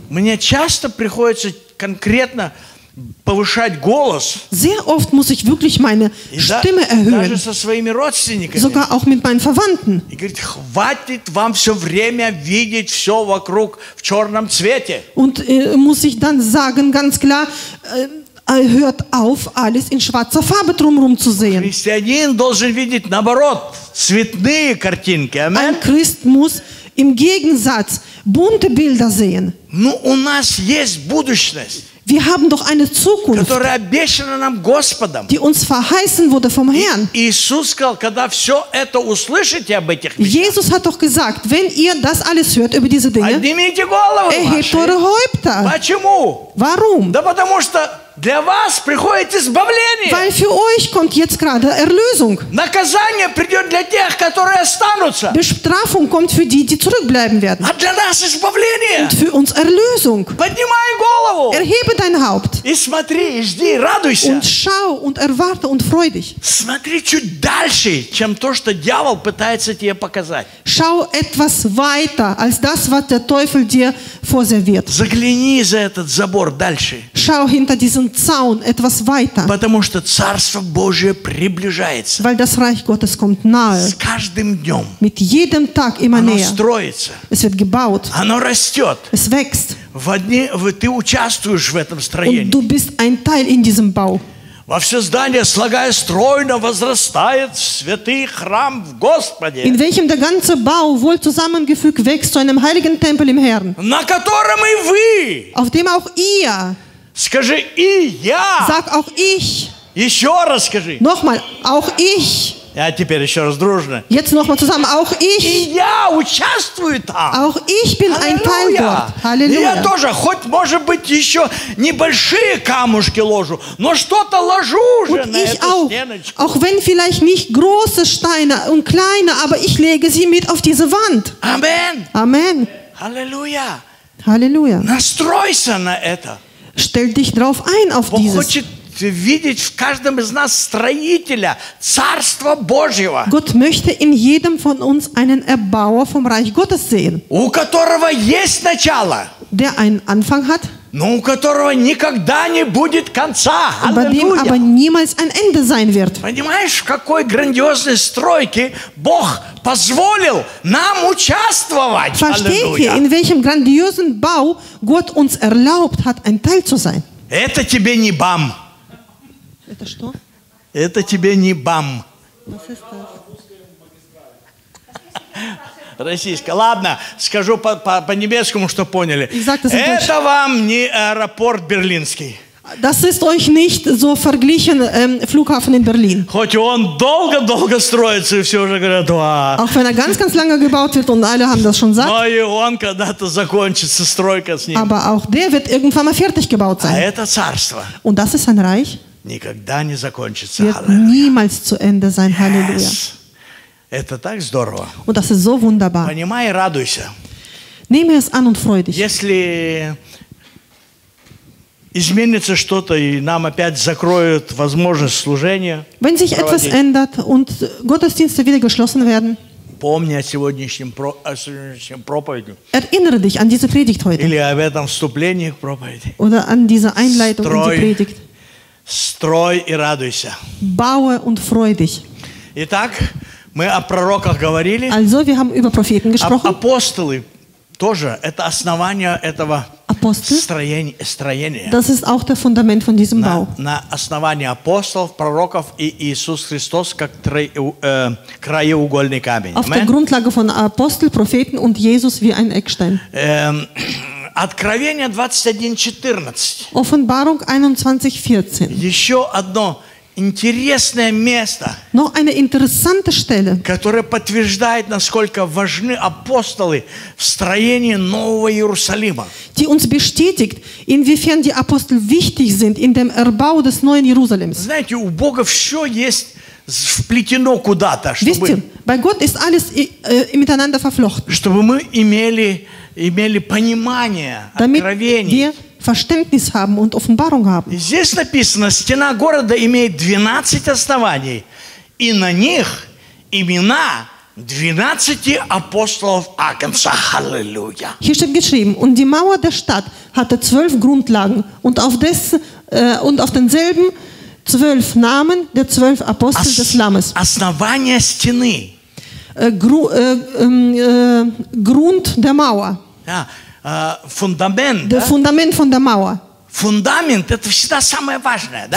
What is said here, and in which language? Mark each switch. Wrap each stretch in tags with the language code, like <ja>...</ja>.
<ru>Мне часто приходится конкретно повышать голос.</ru> <de>Sehr oft muss ich wirklich meine Stimme erhöhen.</de> <ru>Даже со своими родственниками.</ru> <de>Sogar auch mit meinen Verwandten.</de> <ru>И говорит, хватит вам все время видеть все вокруг в черном цвете.</ru> <de>Und muss ich dann sagen ganz klar, hört auf, alles in schwarzer Farbe drumherum zu sehen.</de> <ru>Христианин должен видеть наоборот цветные картинки. Amen.</ru> <de>Ein Christ muss im Gegensatz bunte Bilder sehen.</de> <ru>Ну, у нас есть будущность.</ru> <de>Wir haben doch eine Zukunft,</de> <ru>которая обещана нам Господом.</ru> <de>Die uns verheißen wurde vom Herrn.</de> <ru>Иисус сказал, когда все это услышите об этих вещах.</ru> <de>Jesus hat doch gesagt, wenn ihr das alles hört über diese Dinge,</de> <ru>поднимите головы ваши.</ru> <de>Erhebt eure Häupter.</de> <ru>Почему?</ru> <de>Warum?</de> <ru>Да потому что для вас приходит избавление.</ru> <de>Weil für euch kommt jetzt gerade Erlösung.</de> <ru>Наказание придет для тех, которые останутся.</ru> <de>Bestrafung kommt für die, die zurückbleiben werden.</de> <ru>А для нас избавление.</ru> <de>Und für uns Erlösung.</de> <ru>Поднимай голову.</ru> <de>Erhebe dein Haupt.</de> <ru>И смотри, и жди, радуйся.</ru> <de>Und schau und erwarte und freu dich.</de> <ru>Смотри чуть дальше, чем то, что дьявол пытается тебе показать.</ru> <de>Schau etwas weiter als das, was der Teufel dir vorserviert.</de> <ru>Загляни за этот забор дальше.</ru> <de>Schau hinter diesen Zaun etwas weiter.</de> <ru>Потому что Царство Божие приближается.</ru> <de>Weil das Reich Gottes kommt nahe.</de> <ru>С каждым днем.</ru> <de>Mit jedem Tag immer</de> <ru>Оно</ru> <de>näher.</de> <ru>Оно строится.</ru> <de>Es wird gebaut.</de> <ru>Оно растет.</ru> <de>Es wächst.</de> <ru>Ты участвуешь в этом строении.</ru> <de>Und du bist ein Teil in diesem Bau.</de> <ru>Во все здание, слагая стройно, возрастает святый храм в Господе.</ru> <de>In welchem der ganze Bau wohl zusammengefügt wächst zu einem heiligen Tempel im Herrn.</de> <ru>На котором и вы.</ru> <de>Auf dem auch ihr.</de> <ru>Скажи и я.</ru> <de>Sag auch ich.</de> <ru>Еще раз скажи.</ru> <de>Nochmal, auch ich.</de> <ru>Я теперь еще раз дружно.</ru> <de>Jetzt nochmal zusammen, auch ich.</de> <ru>И я участвую там.</ru> <de>Auch ich bin ein Teil dort. Halleluja.</de> <ru>Я тоже, хоть может быть еще небольшие камушки ложу, но что-то ложу уже</ru> <de>und</de> <ru>на эту</ru> <de>auch,</de> <ru>стеночку.</ru> <de>Auch wenn vielleicht nicht große Steine und kleine, aber ich lege sie mit auf diese Wand. Amen. Amen. Halleluja. Halleluja.</de> <ru>Настройся на это.</ru> <de>Stell dich drauf ein auf</de> <ru>Бог</ru> <de>dieses.</de> <ru>Хочет видеть в каждом из нас строителя Царства Божьего.</ru> <de>Gott möchte in jedem von uns einen Erbauer vom Reich Gottes sehen.</de> <ru>У которого есть начало.</ru> <de>Der einen Anfang hat.</de> <ru>Но у которого никогда не будет конца.</ru> <de>Aber dem aber niemals ein Ende sein wird.</de> <ru>Понимаешь, в какой грандиозной стройке Бог позволил нам участвовать.</ru> <de>Versteht ihr, in welchem grandiosen Bau Gott uns erlaubt hat, ein Teil zu sein?</de> <ru>Это тебе не бам. Это что? Это тебе не бам. Российская. Ладно, скажу по-немецкому, чтобы поняли. Это вам не аэропорт берлинский.</ru> <de>Das ist euch nicht so verglichen Flughafen in Berlin.</de> <ru>Хоть он долго-долго строится, и все уже говорят, а.</ru> <de>Auch wenn ganz lange gebaut wird und alle haben das schon gesagt.</de> <ru>Но и он когда-то закончится, стройка с ним.</ru> <de>Aber auch der wird irgendwann mal fertig gebaut sein.</de> <ru>А это царство.</ru> <de>Und das ist ein Reich.</de> <ru>Никогда не закончится.</ru> <de>Wird niemals zu Ende sein. Halleluja.</de> <ru>Yes. Это так здорово.</ru> <de>Und das ist so wunderbar.</de> <ru>Понимай и радуйся.</ru> <de>Nehme es an und freu dich.</de> <ru>Если изменится что-то и нам опять закроют возможность служения.</ru> <de>Wenn sich etwas ändert und Gottesdienste wieder geschlossen werden.</de> <ru>Помни о сегодняшнем проповеди.</ru> <de>Erinnere dich an diese Predigt heute.</de> <ru>Или об этом вступлении к проповеди.</ru> <de>Oder an diese Einleitung in die Predigt.</de> <ru>Строй и радуйся.</ru> <de>Baue und freu dich.</de> <ru>Итак, мы о пророках говорили.</ru> <de>Also wir haben über Propheten gesprochen.</de> <ru>Апостолы тоже это основание этого строения.</ru> <de>Das ist auch der Fundament von diesem Bau.</de> <ru>На основании апостолов, пророков и Иисус Христос как краеугольный камень.</ru> <de>Auf der Grundlage von Apostel, Propheten und Jesus wie ein Eckstein.</de> <ru>Откровение 21:14.</ru> <de>Offenbarung 21:14.</de> <ru>Еще одно интересное место,</ru> <de>но eine interessante Stelle,</de> <ru>которое подтверждает, насколько важны апостолы в строении Нового Иерусалима.</ru> <de>Die uns bestätigt, inwiefern die Apostel wichtig sind in dem Erbau des neuen Jerusalems.</de> <ru>Знаете, у Бога все есть вплетено куда-то, чтобы...</ru> <de>Wisst ihr, bei Gott ist alles miteinander verflochten.</de> <ru>Чтобы мы имели понимание, откровение.</ru> <de>Verständnis haben und Offenbarung haben.</de> <ru>Здесь написано, стена города имеет 12 оснований, и на них имена 12 апостолов Агнца. Halleluja.</ru> <de>Hier steht geschrieben, und die Mauer der Stadt hatte 12 Grundlagen und auf denselben 12 Namen der 12 Apostel des Lammes.</de> <ru>Основание стены.</ru> <de>Grund der Mauer.</de> <ru>Ja. Фундамент,</ru> <de>der Fundament von der Mauer.</de> <ru>Фундамент – это всегда самое важное, да?</ru>